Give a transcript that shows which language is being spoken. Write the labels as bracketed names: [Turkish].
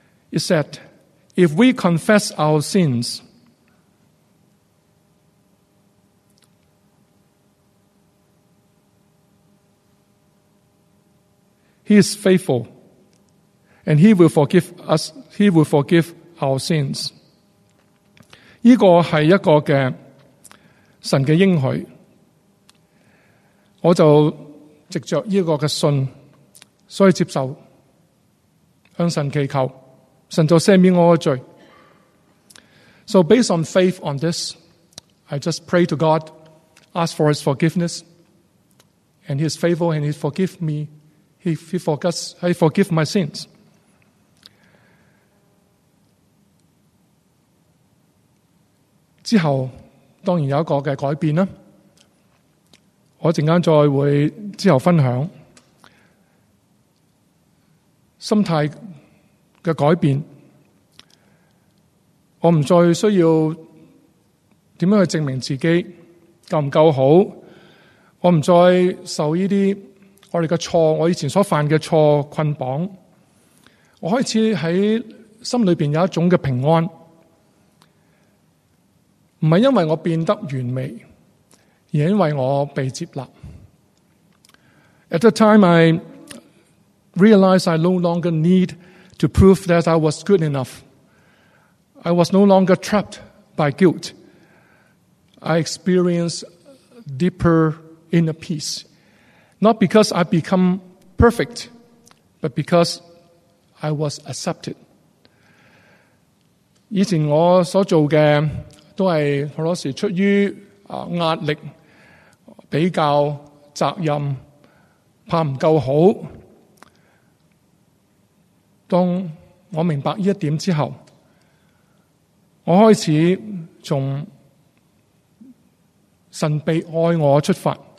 [English] It said, if we confess our sins, he is faithful and he will forgive our sins. [Chinese] 这个是一个的神的应许，我就藉着这个的信所以接受，向神祈求，神就赦免我的罪。 [English] So based on faith on this, I just pray to God, ask for his forgiveness, and he is faithful and he forgive me, he forgive my sins. [Chinese] 之后当然有一个的改变，我稍后再会之后分享心态的改变。我不再需要怎样去证明自己够不够好，我不再受这些我们的错，我以前所犯的错捆绑。我开始在心里面有一种的平安，不是因为我变得完美，而因为我被接纳。 [English] At the time I realized I no longer need to prove that I was good enough. I was no longer trapped by guilt. I experienced deeper inner peace. Not because I become perfect, but because I was accepted. [Chinese] 以前我所做的都是很多时出于压力、比较、责任、怕不够好。当我明白这一点之后，我开始从神被爱我出发。